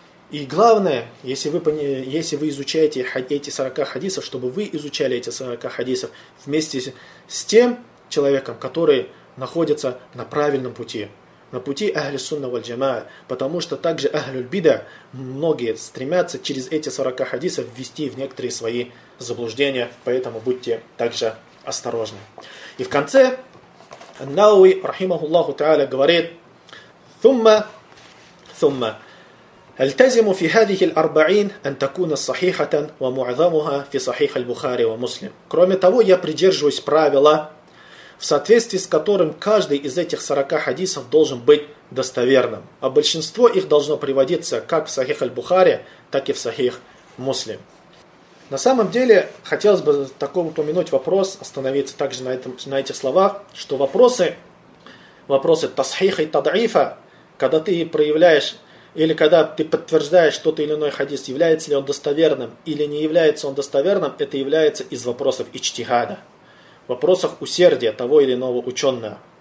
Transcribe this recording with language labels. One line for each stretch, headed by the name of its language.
Russian: И главное, если вы изучаете эти 40 хадисов, чтобы вы изучали эти 40 хадисов вместе с тем человеком, который находится на правильном пути, на пути Ахли Сунна валь Джамаа, потому что также Ахли Бида многие стремятся через эти 40 хадисов ввести в некоторые свои заблуждения, поэтому будьте также осторожны. И в конце Ан-Науи, рахимахуллаху та'аля, говорит «Сумма».
Arabic: التزم في هذه الأربعين أن تكون صحيحة ومعظمها في صحيح البخاري ومسلم.
Russian: Кроме того, я придерживаюсь правила, в соответствии с которым каждый из этих 40 хадисов должен быть достоверным. А большинство их должно приводиться как в صحيح البخاري, так и в صحيح مسلم. На самом деле, хотелось бы такой упомянуть вопрос, остановиться также на этих словах, что вопросы тасхиха и тадаифа, когда ты проявляешь или когда ты подтверждаешь тот или иной хадис, является ли он достоверным или не является он достоверным, это является из вопросов ичтихада, вопросов усердия того или иного ученого.